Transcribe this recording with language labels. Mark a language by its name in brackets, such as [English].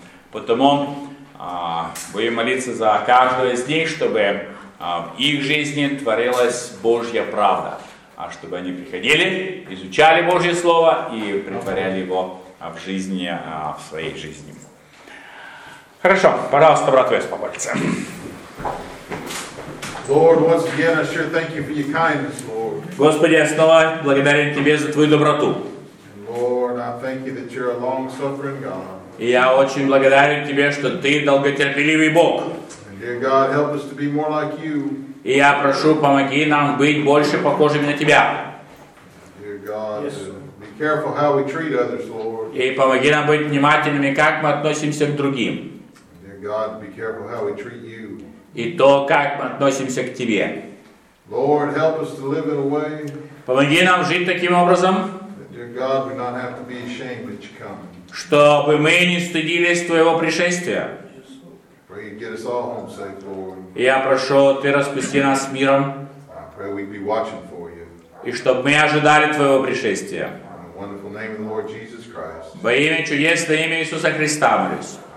[Russian] Потому будем молиться за каждого из них, чтобы в их жизни творилась Божья правда. А чтобы они приходили, изучали Божье Слово и притворяли его в жизни, в своей жизни. Хорошо, пожалуйста, брат Вес, помолиться. [English] Lord, once again, I sure thank you for your kindness, Lord. [Russian] Господи, я снова благодарен Тебе за Твою доброту. [English] Lord, I thank you that you're a long-suffering God. [Russian] И я очень благодарен Тебе, что Ты долготерпеливый Бог. [English] And dear God, help us to be more like you. [Russian] И я прошу, помоги нам быть больше похожими на Тебя. [English] Dear God, yes, be careful how we treat others, Lord. [Russian] И помоги нам быть внимательными, как мы относимся к другим. [English] Dear God, be careful how we treat you. [Russian] И то, как мы относимся к Тебе. [English] Lord, help us to live in a way, [Russian] помоги нам жить таким образом, [English] God, we not have to be ashamed that you come, [Russian] чтобы мы не стыдились Твоего пришествия. [English] Pray you get us all home safe, Lord. [Russian] И я прошу, Ты распусти нас с миром. [English] I pray we'd be watching for you. [Russian] И чтобы мы ожидали Твоего пришествия. [English] In the wonderful name of the Lord Jesus Christ. [Russian] Во имя чудесное имя Иисуса Христа молюсь.